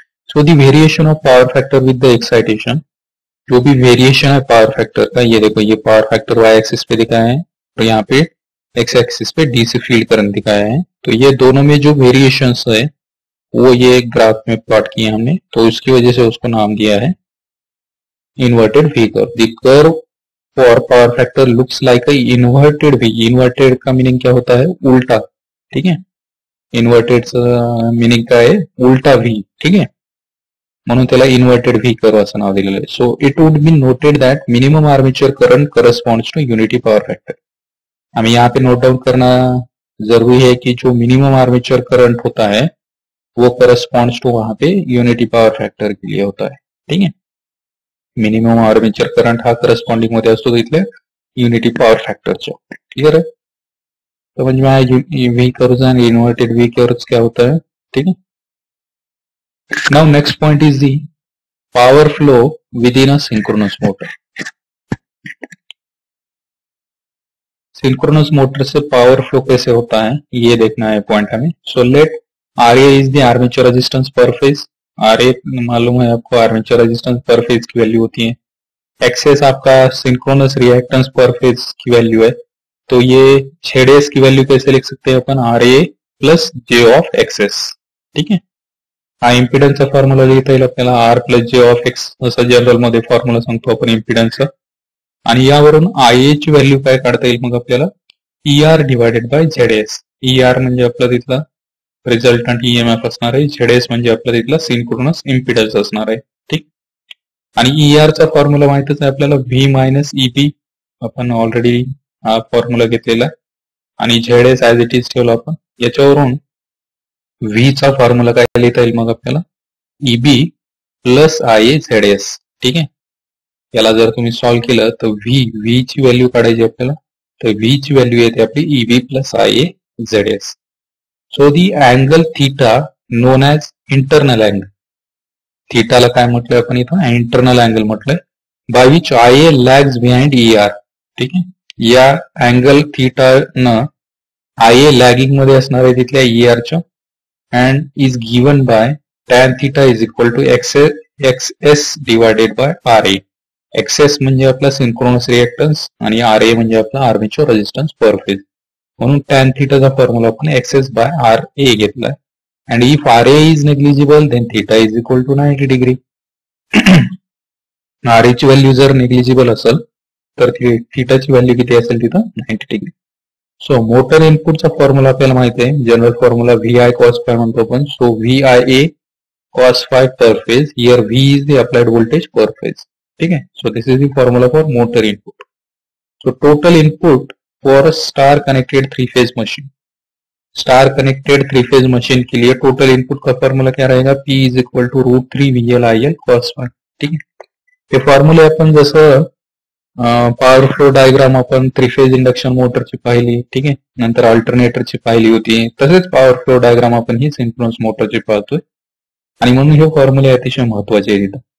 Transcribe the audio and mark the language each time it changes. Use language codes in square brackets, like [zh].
[hi] So the variation of power factor with the excitation, जो भी variation है power factor का, ये देखो ये पावर फैक्टर वाई एक्सिस पे दिखाया है और यहाँ पे एक्स एक्सिस पे डीसी फील्ड करंट दिखाया है, तो ये दोनों में जो वेरिएशन है वो ये ग्राफ में प्लॉट किए हमने, तो उसकी वजह से उसको नाम दिया है inverted we curve. [en] The curve for power factor looks like a inverted V. [hi] Inverted का मीनिंग क्या होता है, उल्टा। ठीक है, इन्वर्टेड मीनिंग का है उल्टा वी। [mr] ठीक है, म्हणून त्याला इन्वर्टेड वी कर्व असं नाव दिलेलं आहे। [en] So it would be noted that minimum armature current corresponds to unity power factor. [hi] हमें यहाँ पे नोट डाउन करना जरूरी है कि जो मिनिमम आर्मेचर करंट होता है वो करस्पॉन्ड्स टू वहां पे यूनिटी पावर फैक्टर के लिए होता है। [mr] ठीक है, मिनिमम आर्मेचर करंट हा करस्पॉन्डिंग मध्ये असतो इथले यूनिटी पावर फैक्टर चो। [hi] क्लियर है? तो समझ में आया we curves and inverted we curves क्या होता है। [en] ठीक है, now next point is the power flow within a synchronous motor. [hi] Synchronous motor से पावर फ्लो कैसे होता है ये देखना है पॉइंट हमें। [en] So let R A is the armature resistance per phase. [hi] आर ए मालूम है आपको आर्मेचर रेजिस्टेंस पर फेज की वैल्यू होती है। एक्सेस आपका सिंक्रोनस रिएक्टेंस पर फेज की वैल्यू है, तो ये छेड़ेस की वैल्यू कैसे लिख सकते हैं अपन, R A plus J of access. ठीक है, [mr] हा इम्पिडन्सचा फॉर्म्युला लिहिता येईल आपल्याला आर प्लस जे ऑफ एक्स असं जनरल मध्ये फॉर्म्युला सांगतो आपण इम्पिडन्स. आणि यावरून आय एच व्हॅल्यू काय काढता येईल मग आपल्याला E R divided by Z S. E R म्हणजे आपला तिथला रिझल्टंट ई एम एफ असणार आहे, झेड एस म्हणजे आपला तिथला सिंक्रोनस इम्पिडन्स असणार आहे. ठीक, आणि ई आर चा फॉर्म्युला माहितीच आहे आपल्याला, व्ही मायनस ई पी आपण ऑलरेडी हा फॉर्म्युला घेतलेला आणि Z S as it is ठेवलं आपण. याच्यावरून व्ही चा फॉर्म्युला काय लिहिता येईल मग आपल्याला, E B plus I A Z S. ठीक आहे, याला जर तुम्ही सॉल्व्ह केलं तर व्ही व्ही ची व्हॅल्यू काढायची आपल्याला, तर व्ही ची व्हॅल्यू येते आपली E B plus I A Z S. [en] So the angle theta known as internal angle. [mr] थीटाला काय म्हटलंय आपण इथं, इंटरनल अँगल म्हटलंय, [en] By which I A lags behind E R. [mr] ठीक आहे, या अँगल थीटा न आय ए लॅगिंग मध्ये असणार आहे तिथल्या ई आर च्या, [en] And is given by tan theta is equal to X X S divided by R A. [mr] X S म्हणजे आपला सिंक्रोनस रिएक्टन्स आणि आर ए म्हणजे आपला आर्मेचर रेझिस्टन्स पर फेज. म्हणून टॅन थीटाचा फॉर्म्युला आपण x S by R A घेतलाय. [en] And if R A is negligible then theta is equal to 90 degree. [mr] R A ची value जर नेग्लिजिबल असेल तर थीटाची व्हॅल्यू किती असेल तिथं, 90 डिग्री. सो मोटर इनपुटचा फॉर्म्युला आपल्याला माहित आहे, general formula V I cos phi म्हणतो आपण. [en] So V I A cos phi per phase, here V is the applied voltage per phase. [mr] ठीक आहे, [en] So this is the formula for motor input. So total input for a star connected three phase machine, [hi] star connected three phase machine के लिए total input का formula क्या रहेगा, [en] P is equal to root three V L I L cos phi. [mr] ठीक आहे, हे फॉर्म्युले आपण जसं power flow diagram आपण थ्री फेज इंडक्शन मोटरची पाहिली, ठीक आहे, नंतर अल्टरनेटरची पाहिली होती, तसेच पॉवर फ्लो डायग्राम आपण ही सिंक्रोनस मोटरची पाहतोय आणि म्हणून हे फॉर्म्युले अतिशय महत्वाचे आहे तिथं.